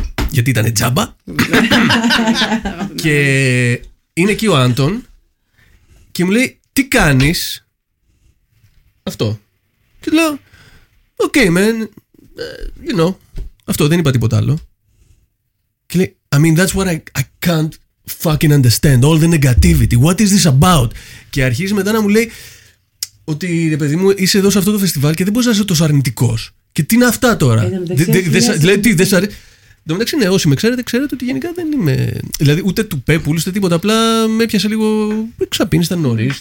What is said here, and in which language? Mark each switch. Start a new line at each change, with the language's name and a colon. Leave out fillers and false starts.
Greek: Γιατί ήταν τζάμπα. Και είναι εκεί ο Άντων. Και μου λέει, τι κάνεις. Αυτό. Και λέω,
English: okay man. You know.
Greek: Αυτό, δεν είπα τίποτα άλλο. Και λέει,
English: I mean that's what I can't fucking understand. All the negativity. What is this about?
Greek: Και αρχίζει μετά να μου λέει ότι ρε παιδί μου είσαι εδώ σε αυτό το φεστιβάλ και δεν μπορείς να είσαι τόσο αρνητικός. Και τι είναι αυτά τώρα. Δηλαδή τι δεν σ' αρέσει. Εντάξει, ναι, όσοι με ξέρετε ότι γενικά δεν είμαι. Δηλαδή ούτε του πέπουλ ούτε τίποτα. Απλά με έπιασε λίγο. Ξαπίνησα νωρίς.